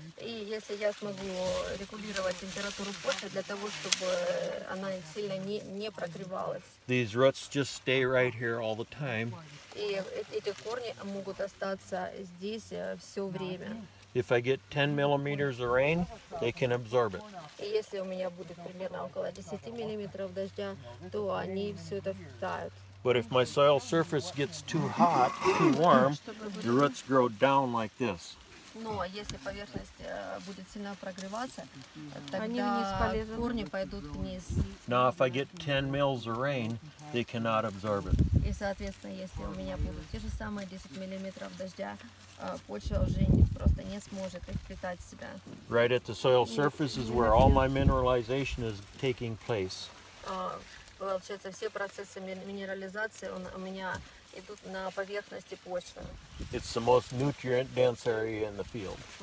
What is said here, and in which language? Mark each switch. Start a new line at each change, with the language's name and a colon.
Russian: И если я смогу регулировать температуру почвы для того, чтобы она сильно не прогревалась.
English: These roots just stay right here all the time.
Russian: И эти корни могут остаться здесь все время.
English: If I get 10 millimeters of rain, they can absorb it.
Russian: И если у меня будет примерно около 10 миллиметров дождя, то они все это впитают.
English: But if my soil surface gets too hot, too warm, the roots grow down like this.
Russian: Но если поверхность будет сильно прогреваться, тогда корни пойдут вниз.
English: Now if I get 10 mils of rain, they cannot absorb it.
Russian: И соответственно, если у меня будут те же самые 10 миллиметров дождя, почва уже просто не сможет их впитать в себя.
English: Right at the soil surface is where all my mineralization is taking place.
Russian: Получается, все процессы минерализации у меня идут на поверхности почвы.
English: It's the most nutrient-dense area in the field.